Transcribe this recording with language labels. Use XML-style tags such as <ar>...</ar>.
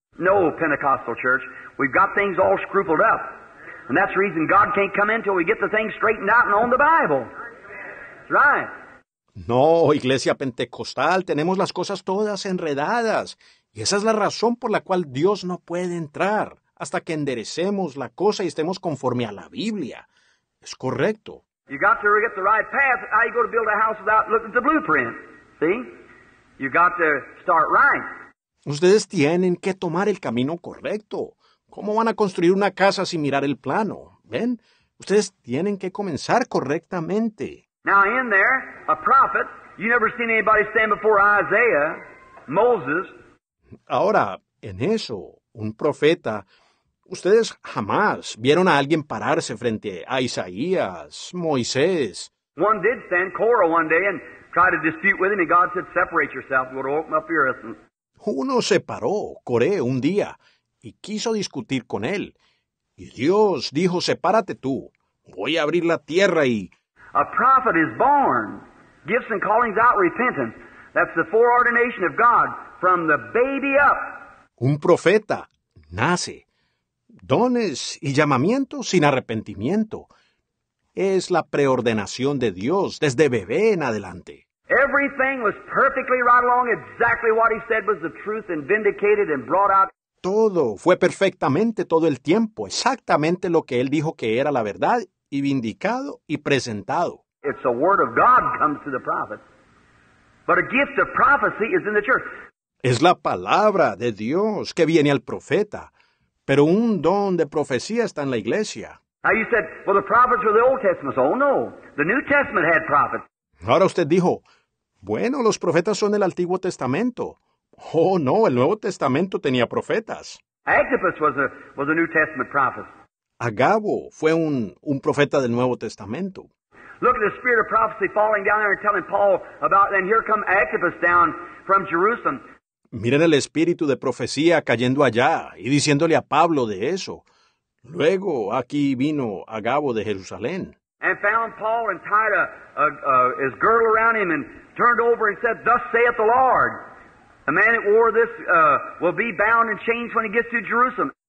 <en>No, Pentecostal church, we've got things all scrupled up. And that's the reason God can't come in until we get the things straightened out and on the Bible. Right.</en> <es>No, iglesia pentecostal, tenemos las cosas todas enredadas. Y esa es la razón por la cual Dios no puede entrar hasta que enderecemos la cosa y estemos conforme a la Biblia. Es correcto.</es> <en>You got to get the right path. How are you going to build a house without looking at the blueprint? See? You got to start right.</en> <es>Ustedes tienen que tomar el camino correcto. ¿Cómo van a construir una casa sin mirar el plano? ¿Ven? Ustedes tienen que comenzar correctamente.</es> <en>Now in there, a prophet, you never seen anybody stand before Isaiah, Moses.</en> <es>Ahora, en eso, un profeta, ustedes jamás vieron a alguien pararse frente a Isaías, Moisés.</es> <en>One did stand, Korah, one day, and tried to dispute with him, and God said, separate yourself, you're going to open up your essence.</en> <es>Uno se paró, Coré, un día, y quiso discutir con él. Y Dios dijo, sepárate tú, voy a abrir la tierra y...</es> <en>A prophet is born. Gifts and callings out repentance. That's the foreordination of God from the baby up.</en> <es>Un profeta nace. Dones y llamamiento sin arrepentimiento. Es la preordenación de Dios desde bebé en adelante.</es> <en>Everything was perfectly right along, exactly what he said was the truth and vindicated and brought out.</en> <es>Todo fue perfectamente todo el tiempo, exactamente lo que él dijo que era la verdad y vindicado y presentado.</es> <en>It's a word of God comes to the prophet. But a gift of prophecy is in the church.</en> <es>Es la palabra de Dios que viene al profeta, pero un don de profecía está en la iglesia.</es> <en>Now you said, well, the prophets were the Old Testament. Oh, no. The New Testament had prophets.</en> <es>Ahora usted dijo, bueno, los profetas son del Antiguo Testamento. Oh, no, el Nuevo Testamento tenía profetas.</es> <en>Agabus was a New Testament prophet.</en> <es>Agabo fue un profeta del Nuevo Testamento.</es> <en>Look at the spirit of prophecy falling down there and telling Paul about, and here come Agabus down from Jerusalem.</en> <es>Miren el espíritu de profecía cayendo allá y diciéndole a Pablo de eso. Luego aquí vino Agabo de Jerusalén.</es> <en>And found Paul and tied his girdle around him and turned over and said, thus saith the Lord. The man that wore this will be bound and changed when he gets to Jerusalem.</en>